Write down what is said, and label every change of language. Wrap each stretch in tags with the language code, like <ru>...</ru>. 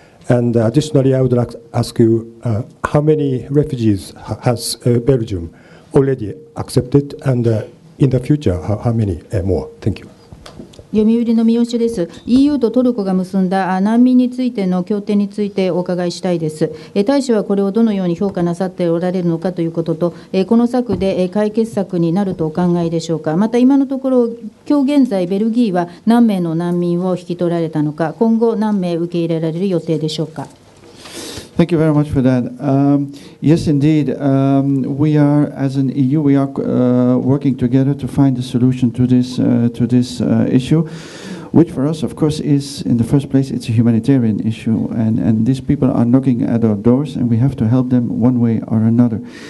<en>And additionally, I would like to ask you how many refugees has Belgium already accepted, and in the future, how many more? Thank you.</en> <ja>読売の三好です。 EU とトルコが結んだ難民についての協定についてお伺いしたいです。大使はこれをどのように評価なさっておられるのかということと、この策で解決策になるとお考えでしょうか。また今のところ今日現在ベルギーは何名の難民を引き取られたのか、今後何名受け入れられる予定でしょうか。</ja> <en>Thank you very much for that. Yes, indeed. We are, as an EU, we are working together to find a solution to this issue, which for us, of course, is, in the first place, it's a humanitarian issue. And these people are knocking at our doors, and we have to help them one way or another.</en>